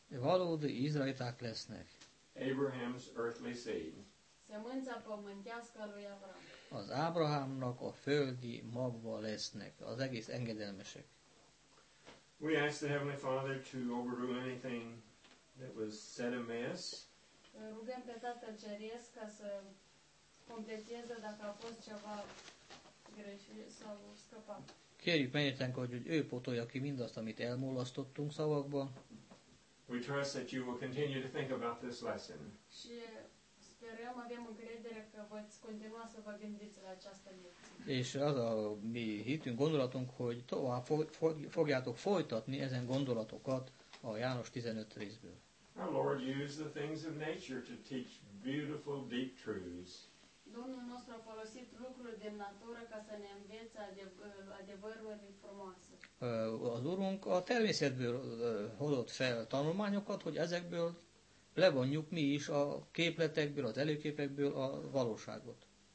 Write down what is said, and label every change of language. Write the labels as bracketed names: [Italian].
[Hungarian] Valódi izraeliták lesznek. [English] Abraham's earthly seed. [Romanian] Semânța pământească a lui Avram. [Hungarian] Az Ábrahámnak a földi magva lesznek, az egész engedelmesek. [English] We ask the Heavenly Father to overrule anything that was said amiss. [Romanian] Rugăm pe Tatăl Ceresc ca să completeze dacă a fost ceva greșit sau scăpat. [Hungarian] Kérjük mennyetenk, hogy ő potolja ki mindazt, amit elmulasztottunk szavakba. [English] We trust that you will continue to think about this lesson. [Romanian] Sperăm, avem încredere că voți continua să vă gândiți la această lecție. [Hungarian] És az a mi hitünk, gondolatunk, hogy tovább fogjátok folytatni ezen gondolatokat a János 15 részből. [English] Our Lord used the things of nature to teach beautiful deep truths. [Romanian] Domnul nostru a folosit lucruri din natură ca să ne învețe adevărurile frumoase. [Hungarian] Az Urunk a természetből hozott fel tanulmányokat, hogy ezekből levonjuk mi is a képletekből, az előképekből a valóságot.